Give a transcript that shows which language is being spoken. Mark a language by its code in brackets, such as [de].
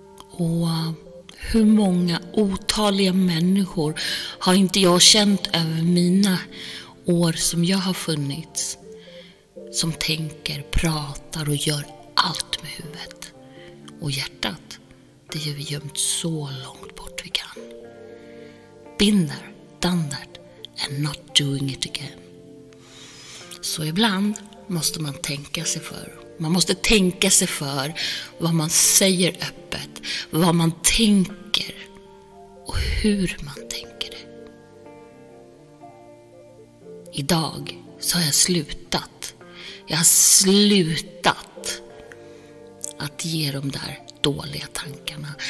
[sv] Och hur många otaliga människor har inte jag känt över mina år som jag har funnits, som tänker, pratar och gör allt med huvudet. Och hjärtat, det gör vi gömt så långt bort vi kan. [en] Been there, done that, and not doing it again. [sv] Så ibland måste man tänka sig för. Man måste tänka sig för vad man säger öppet, vad man tänker och hur man tänker det. Idag så har jag slutat. Jag har slutat att ge de där dåliga tankarna.